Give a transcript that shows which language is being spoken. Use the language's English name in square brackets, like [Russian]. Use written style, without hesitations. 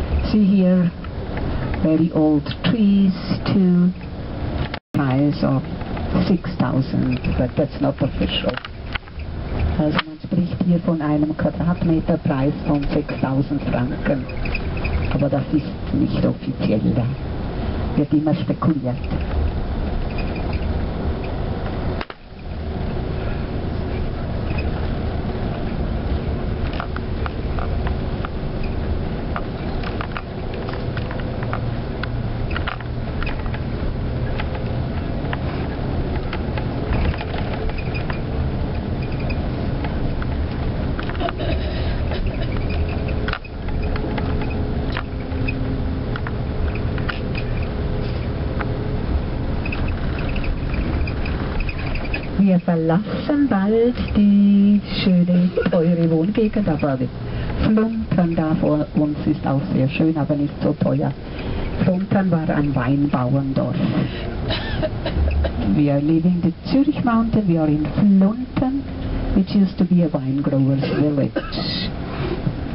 [English] See here, very old trees too, size of 6,000, but that's not official. [German] Also man spricht hier von einem Quadratmeterpreis von 6,000 Franken, aber das ist nicht offiziell, da wird immer spekuliert. Wir verlassen bald die schöne, teure Wohngegend, aber die Fluntern da vor uns ist auch sehr schön, aber nicht so teuer. Fluntern war ein Weinbauerndorf. [English] We are leaving the Zurich Mountain, we are in Fluntern, which used to be a wine growers village.